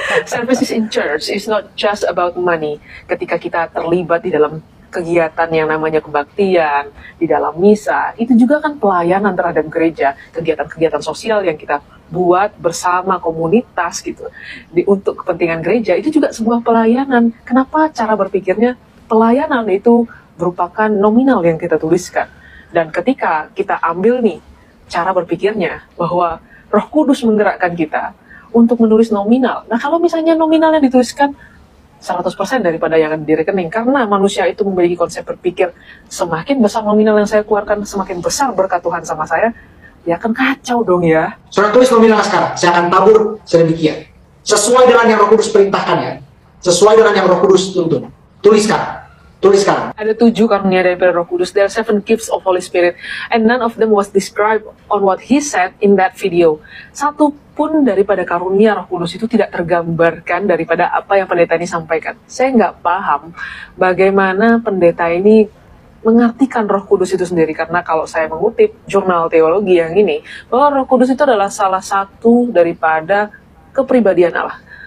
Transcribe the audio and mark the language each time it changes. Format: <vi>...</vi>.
<en>Services in church is not just about money.</en> <id>Ketika kita terlibat di dalam kegiatan yang namanya kebaktian, di dalam misa, itu juga kan pelayanan terhadap gereja, kegiatan-kegiatan sosial yang kita buat bersama komunitas gitu, untuk kepentingan gereja, itu juga sebuah pelayanan. Kenapa cara berpikirnya pelayanan itu merupakan nominal yang kita tuliskan? Dan ketika kita ambil nih cara berpikirnya bahwa Roh Kudus menggerakkan kita untuk menulis nominal. Nah, kalau misalnya nominal yang dituliskan 100% daripada yang di rekening, karena manusia itu memiliki konsep berpikir semakin besar nominal yang saya keluarkan, semakin besar berkat Tuhan sama saya, ya akan kacau dong ya. Saudara tulis nominal sekarang, saya akan tabur sedemikian. Sesuai dengan yang Roh Kudus perintahkan ya. Sesuai dengan yang Roh Kudus tuntun. Tuliskan. Ada 7 karunia dari Roh Kudus.</id> <en>There are 7 gifts of Holy Spirit, and none of them was described on what he said in that video.</en> <id>Satu pun daripada karunia Roh Kudus itu tidak tergambarkan daripada apa yang pendeta ini sampaikan. Saya nggak paham bagaimana pendeta ini mengartikan Roh Kudus itu sendiri, karena kalau saya mengutip jurnal teologi yang ini, bahwa Roh Kudus itu adalah salah satu daripada kepribadian Allah.</id>